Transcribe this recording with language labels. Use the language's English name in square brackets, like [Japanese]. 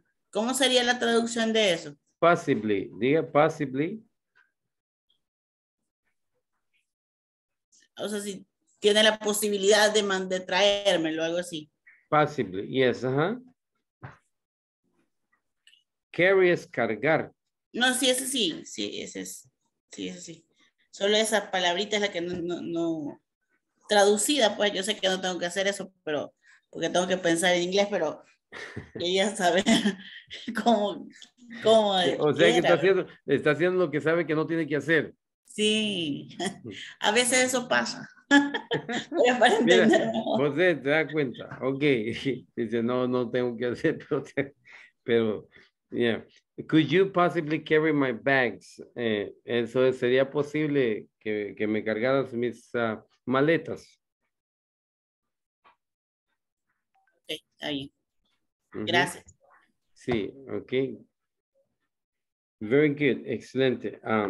[Spanish] ¿Cómo sería la traducción de eso? Possibly, diga possibly. O sea, si tiene la posibilidad de traérmelo, algo así. Possibly, yes, ajá. Carry es cargar. No, sí, ese sí, sí, ese es, sí, ese sí. Solo esa palabrita es la que no traducida, pues yo sé que no tengo que hacer eso, pero porque tengo que pensar en inglés, pero quería saber cómo. O sea, que está haciendo lo que sabe que no tiene que hacer. Sí, a veces eso pasa. Para entender. Mira, José, te das cuenta. Ok, dice, no tengo que hacer, [English] pero yeah. Could you possibly carry my bags? [Spanish] Eso sería posible que me cargaras mis maletas. Ok, ahí. Uh-huh. Gracias. Sí, [English] ok. Very good, [Spanish] excelente.